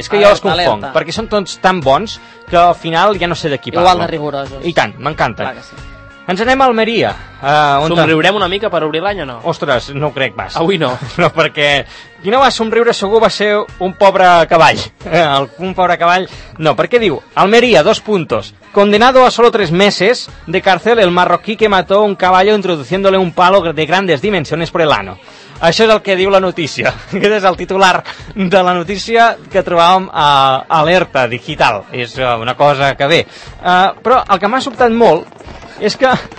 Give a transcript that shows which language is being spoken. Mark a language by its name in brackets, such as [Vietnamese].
[Catalan] És que alerta, jo els confonc. Alerta. Perquè són tots tan bons que al final ja no sé de qui parlo. Igual de rigorosos. I tant, m'encanta. Clar que sí. Ens anem a Almeria. Somriurem una mica per obrir l'any o no? Ostres, no ho crec pas. Avui no. No, perquè qui no va somriure segur va ser un pobre cavall. Un pobre cavall. No, perquè diu, Almeria, [Spanish] dos puntos. Condenado a solo 3 meses de cárcel el marroquí que mató un caballo introduciéndole un palo de grandes dimensiones por el ano. [Catalan] Això és el que diu la notícia. Aquest és el titular de la notícia que trobàvem a Alerta Digital. És una cosa que ve. Però el que m'ha sobtat molt és que...